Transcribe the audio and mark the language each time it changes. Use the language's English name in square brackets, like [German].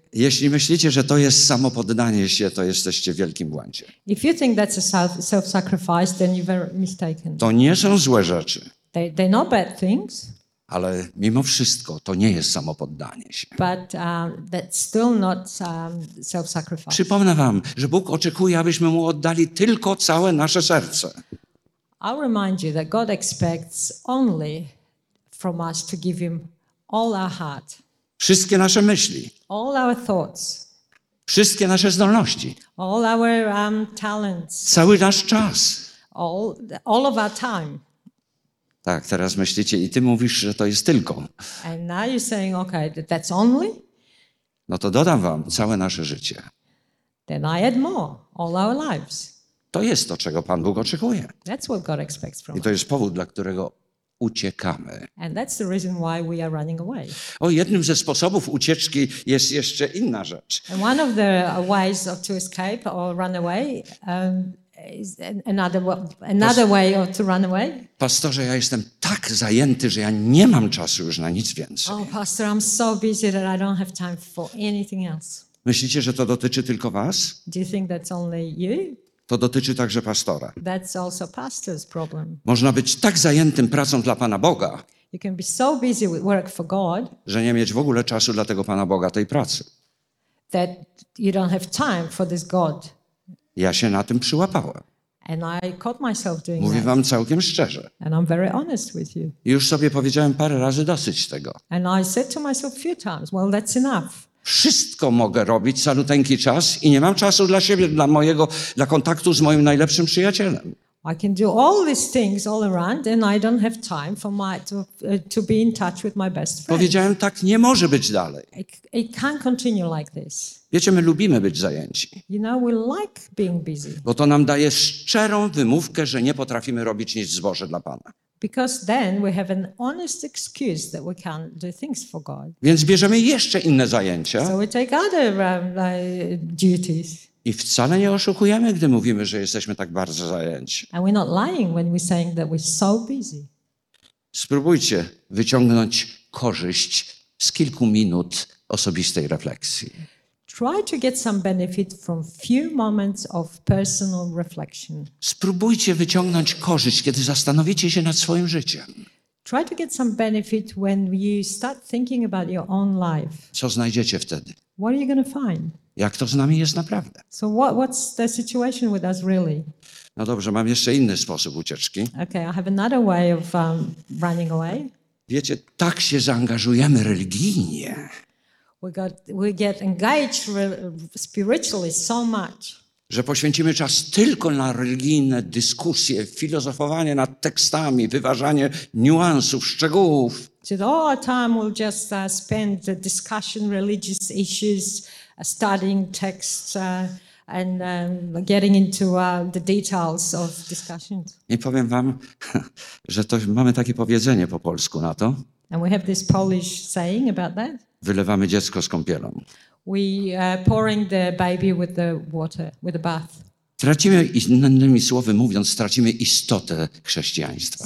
[Polish] Jeśli myślicie, że to jest samopoddanie się, to jesteście w wielkim błędzie. [English] If you think that's a self-sacrifice, then you're very mistaken. [Polish] To nie są złe rzeczy. [English] They're not bad things. [Polish] Ale mimo wszystko to nie jest samopoddanie się. [English] But that's still not self-sacrifice. [Polish] Przypomnę wam, że Bóg oczekuje, abyśmy mu oddali tylko całe nasze serce. [English] I'll remind you that God expects only from us to give him all our heart. [Polish] Wszystkie nasze myśli. [English] All our thoughts. [Polish] Wszystkie nasze zdolności. [English] All our talents. [Polish] Cały nasz czas. [English] All of our time. [Polish] Tak, teraz myślicie i ty mówisz, że to jest tylko. [English] And now you're saying, okay, that's only? [Polish] No to dodam wam całe nasze życie. [English] Then I add more, all our lives. [Polish] To jest to, czego Pan Bóg oczekuje. [English] That's what God expects from [Polish] I to jest powód, dla którego uciekamy. [English] And that's the reason why we are running away. [Polish] O, jednym ze sposobów ucieczki jest jeszcze inna rzecz. [English] And one of the ways to escape or run away is another way or to run away? [Polish] Pastorze, ja jestem tak zajęty, że ja nie mam czasu już na nic więcej. [English] Oh, pastor, I'm so busy that I don't have time for anything else. [Polish] Myślicie, że to dotyczy tylko was? [English] Do you think that's only you? [Polish] To dotyczy także pastora. [English] That's also pastor's problem. [Polish] Można być tak zajętym pracą dla Pana Boga, [English] you can be so busy with work for God, [Polish] że nie mieć w ogóle czasu dla tego Pana Boga, tej pracy. [English] That you don't have time for this God. [Polish] Ja się na tym przyłapałem. [English] And I caught myself doing [Polish] Mówię wam całkiem szczerze. [English] And I'm very honest with you. [Polish] Już sobie powiedziałem parę razy dosyć tego. [English] And I said to myself a few times, well, that's enough. [Polish] Wszystko mogę robić, saluteńki czas i nie mam czasu dla siebie, dla kontaktu z moim najlepszym przyjacielem. [English] I can do all these things all around and I don't have time for to be in touch with my best friend. [Polish] Powiedziałem tak, nie może być dalej. [English] It can't continue like this. [Polish] Wiecie, my lubimy być zajęci. [English] You know, we like being busy. [Polish] Bo to nam daje szczerą wymówkę, że nie potrafimy robić nic z Boże dla Pana. [English] Because then we have an honest excuse that we can't do things for God. [Polish] Więc bierzemy jeszcze inne zajęcia. [English] So we take other duties. [Polish] I wcale nie oszukujemy, gdy mówimy, że jesteśmy tak bardzo zajęci. [English] And we're not lying when we're saying that we're so busy. [Polish] Spróbujcie wyciągnąć korzyść z kilku minut osobistej refleksji. [English] Try to get some benefit from few moments of personal reflection. [Polish] Spróbujcie wyciągnąć korzyść, kiedy zastanowicie się nad swoim życiem. [English] Try to get some benefit when you start thinking about your own life. [Polish] Co znajdziecie wtedy? [English] What are you going to find? [Polish] Jak to z nami jest naprawdę? [English] So what's the situation with us really? [Polish] No dobrze, mam jeszcze inny sposób ucieczki. [English] Okay, I have another way of running away. [Polish] Wiecie, tak się zaangażujemy religijnie. [English] We get engaged spiritually so much. [Polish] Że poświęcimy czas tylko na religijne dyskusje, filozofowanie nad tekstami, wyważanie niuansów, szczegółów. [English] That all our time we'll just spend the discussion religious issues, studying texts and getting into the details of discussions. [Polish] I powiem wam, że to mamy takie powiedzenie po polsku na to. [English] And we have this Polish saying about that. [Polish] Wylewamy dziecko z kąpielą. [English] We pouring the baby with the water, with the bath. [Polish] Tracimy, innymi słowy mówiąc, tracimy istotę chrześcijaństwa.